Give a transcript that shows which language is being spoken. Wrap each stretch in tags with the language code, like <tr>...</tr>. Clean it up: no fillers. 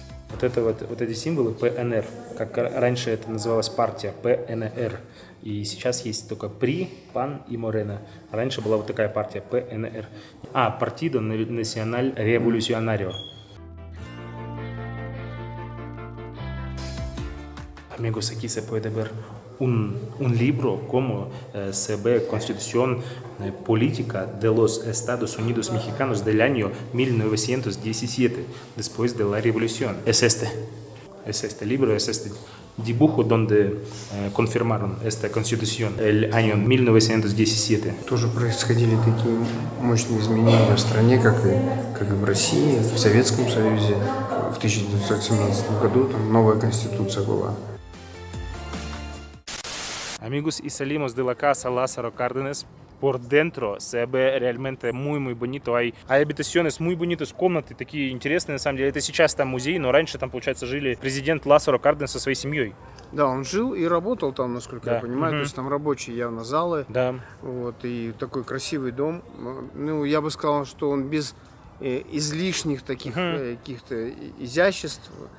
<ru>Вот это вот, вот эти символы ПНР, как раньше это называлась партия ПНР, и сейчас есть только ПРИ, ПАН и МОРЕНА. Раньше была вот такая партия ПНР. А, Партида Националь Революционарио.</ru> <es>Amigos, aquí se puede ver un libro como se ve Constitución Política de los Estados Unidos Mexicanos del año 1917, después de la Revolución. Es este libro, es este dibujo donde confirmaron esta Constitución el año 1917.</es> <ru>Тоже происходили такие мощные изменения в стране, как и в России, в Советском Союзе. В 1917 году там новая Конституция была.</ru> <es>Amigos, y salimos de la casa Lázaro Cárdenas. Por dentro se ve realmente muy, muy bonito. Hay habitaciones muy bonitas,</es> <ru>комнаты такие интересные, на самом деле. Это сейчас там музей, но раньше там, получается, жили президент Лазаро Карденес со своей семьей. Да, он жил и работал там, насколько я понимаю. Mm-hmm. То есть там рабочие явно залы. Да. Вот, и такой красивый дом. Ну, я бы сказал, что он без излишних таких каких-то изяществ.</ru>